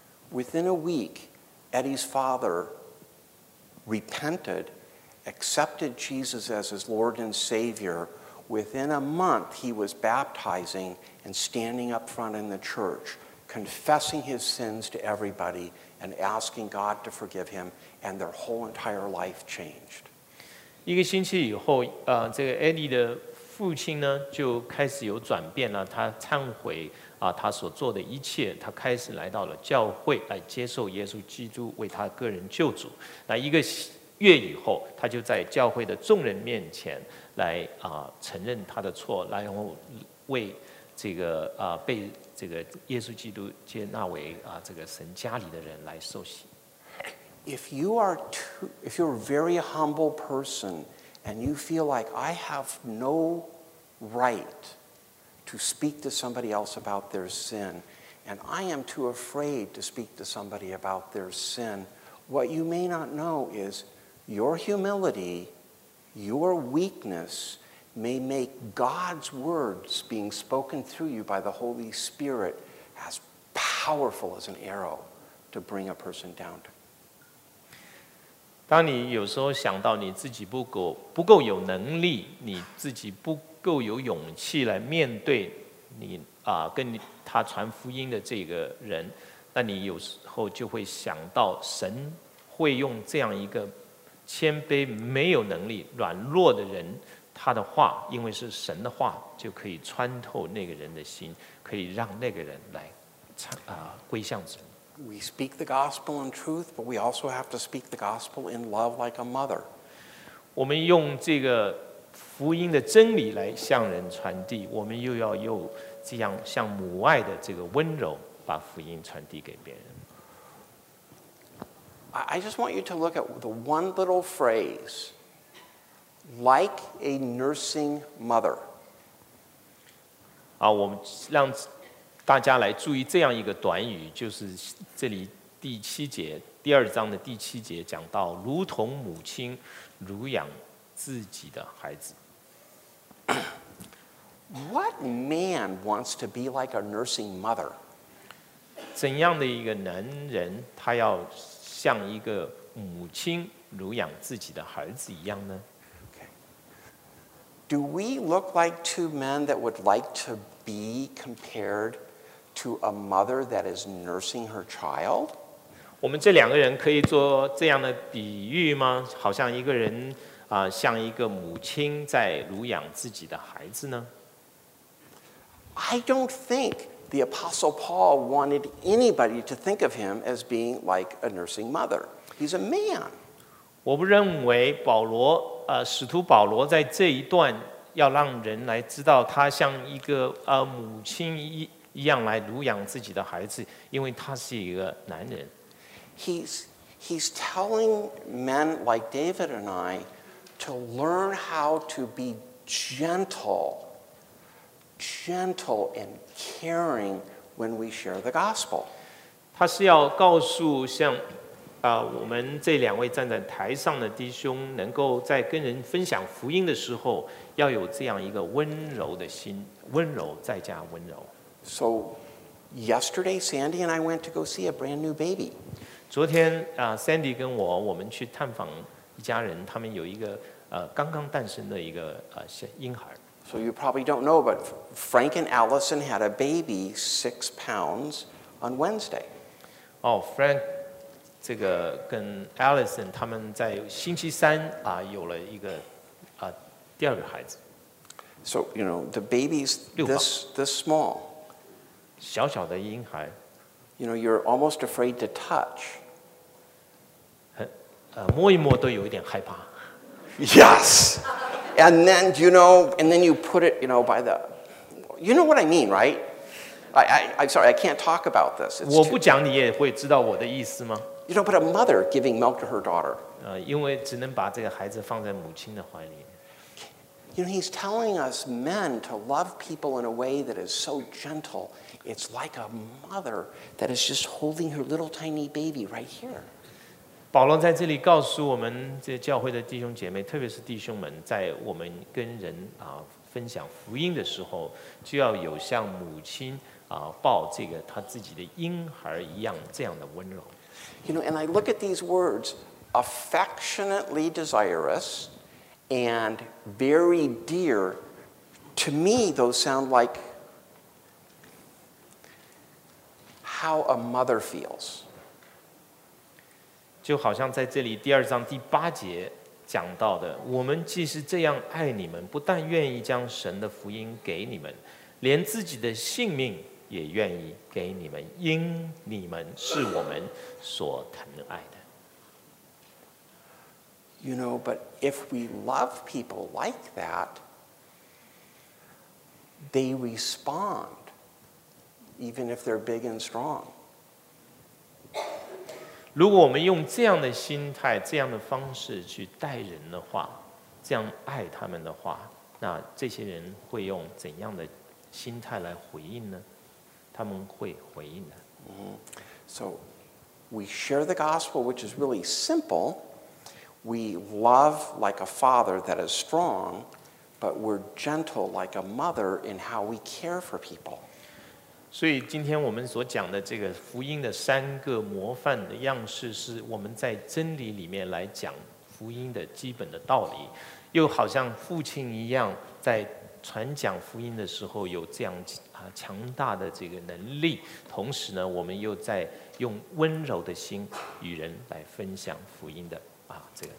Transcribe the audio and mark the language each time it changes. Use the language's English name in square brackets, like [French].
[English] Within a week, Eddie's father repented, accepted Jesus as his Lord and Savior. Within a month, he was baptizing and standing up front in the church, confessing his sins to everybody and asking God to forgive him, and their whole entire life changed. [Chinese] 一个星期以后，这个 Eddie 的父亲呢，就开始有转变了，他忏悔他所做的一切，他开始来到了教会来接受耶稣基督为他个人救主。那一个月以后，他就在教会的众人面前来承认他的错，然后为这个被这个耶稣基督接纳为这个神家里的人来受洗。 [English] If you're a very humble person and you feel like I have no right to speak to somebody else about their sin, and I am too afraid to speak to somebody about their sin, what you may not know is your humility, your weakness, may make God's words being spoken through you by the Holy Spirit as powerful as an arrow to bring a person down to. [Chinese] 当你有时候想到你自己不够有能力，你自己不够有勇气来面对你跟他传福音的这个人，那你有时候就会想到神会用这样一个谦卑没有能力软弱的人，他的话，因为是神的话，就可以穿透那个人的心，可以让那个人来归向神。 [English] We speak the gospel in truth, but we also have to speak the gospel in love like a mother. [Chinese] 我们用这个福音的真理来向人传递，我们又要用这样像母爱的这个温柔把福音传递给别人。 [English] I just want you to look at the one little phrase, like a nursing mother. [Chinese] 我们让大家来注意这样一个短语，就是这里第七节，第二章的第七节讲到，如同母亲乳养自己的孩子。 [English] What man wants to be like a nursing mother? [Chinese] 怎样的一个男人，他要像一个母亲乳养自己的孩子一样呢？ [English] Okay. Do we look like two men that would like to be compared to a mother that is nursing her child? [Chinese] 我们这两个人可以做这样的比喻吗？好像一个人啊，像一个母亲在乳养自己的孩子呢？ [English] I don't think the Apostle Paul wanted anybody to think of him as being like a nursing mother. He's a man. [Chinese] 我不认为保罗使徒保罗在这一段要让人来知道他像一个母亲一样来乳养自己的孩子，因为他是一个男人。 [English] He's telling men like David and I to learn how to be gentle and caring when we share the gospel. [Chinese] 他是要告诉像我们这两位站在台上的弟兄，能够在跟人分享福音的时候，要有这样一个温柔的心，温柔再加温柔。 [English] So yesterday, Sandy and I went to go see a brand new baby. [Chinese] 昨天Sandy 跟我们去探访一家人，他们有一个刚刚诞生的一个婴孩。 [English] So you probably don't know, but Frank and Allison had a baby 6 pounds on Wednesday. [Chinese] Oh, Frank, 这个跟 Allison 他们在星期三有了一个第二个孩子。 [English] So you know the baby's this small. [Chinese] 小小的婴孩。 [English] You know you're almost afraid to touch. [Chinese] 摸一摸都有一点害怕。 [English] Yes. And then, you know, and then you put it, you know, by the... You know what I mean, right? I'm sorry, I can't talk about this. [Chinese] 我不讲你也会知道我的意思吗？ [English] You know, but a mother giving milk to her daughter. [Chinese] 因为只能把这个孩子放在母亲的怀里。 [English] You know, he's telling us men to love people in a way that is so gentle. It's like a mother that is just holding her little tiny baby right here. [Chinese] 保罗在这里告诉我们这教会的弟兄姐妹，特别是弟兄们，在我们跟人分享福音的时候，就要有像母亲抱这个他自己的婴孩一样这样的温柔。 [English] You know, and I look at these words, affectionately desirous and very dear. To me, those sound like how a mother feels. [Chinese] 就好像在这里第二章第八节讲到的，我们既是这样爱你们，不但愿意将神的福音给你们，连自己的性命也愿意给你们，因你们是我们所疼爱的。 [English] You know, but if we love people like that, they respond, even if they're big and strong. [Chinese] 如果我们用这样的心态、这样的方式去待人的话，这样爱他们的话，那这些人会用怎样的心态来回应呢？他们会回应的。 [English] So we share the gospel, which is really simple. We love like a father that is strong, but we're gentle like a mother in how we care for people. [Chinese] 所以今天我们所讲的这个福音的三个模范的样式，是我们在真理里面来讲福音的基本的道理，又好像父亲一样，在传讲福音的时候有这样强大的这个能力，同时呢，我们又在用温柔的心与人来分享福音的这个。